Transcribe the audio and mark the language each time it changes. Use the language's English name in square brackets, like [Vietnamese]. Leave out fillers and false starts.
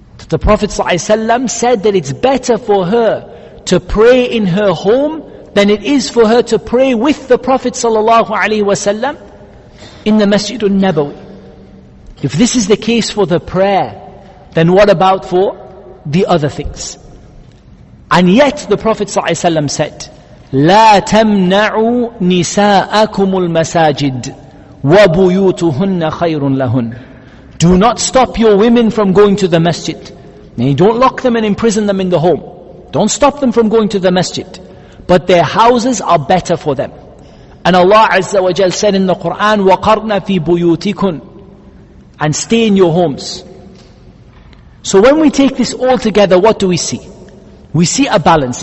[English] The Prophet ﷺ said that it's better for her to pray in her home than it is for her to pray with the Prophet ﷺ in the Masjid al-Nabawi. If this is the case for the prayer, then what about for the other things? And yet the Prophet ﷺ said, [Arabic] لَا تَمْنَعُوا نِسَاءَكُمُ الْمَسَاجِدِ وَبُيُوتُهُنَّ خَيْرٌ لَهُنْ. [English] Do not stop your women from going to the masjid. Now, don't lock them and imprison them in the home. Don't stop them from going to the masjid. But their houses are better for them. And Allah Azza wa Jal said in the Quran, [Arabic] وَقَرْنَ فِي بُيُوتِكُنْ. [English] And stay in your homes. So when we take this all together, what do we see? We see a balance.